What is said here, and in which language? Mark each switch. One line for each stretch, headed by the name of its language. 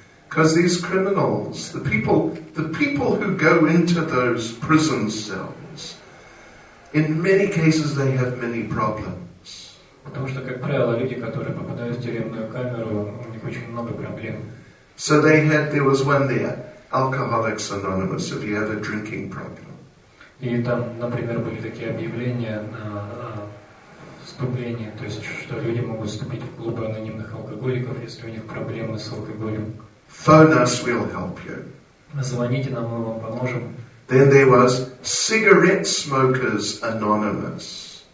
English: Because these criminals, the people who go into those prison cells, in many cases they have many problems.
Russian: Потому что, как правило, люди, которые попадают в тюремную камеру, у них очень много проблем.
English: So they had, there was one there, Alcoholics Anonymous, if you have a drinking problem.
Russian: И там, например, были такие объявления на вступление, то есть, что люди могут вступить в клубы анонимных алкоголиков, если у них проблемы с алкоголем.
English: Phone us, we'll help you.
Russian: Звоните нам, мы вам поможем.
English: Then there was Cigarette Smokers Anonymous.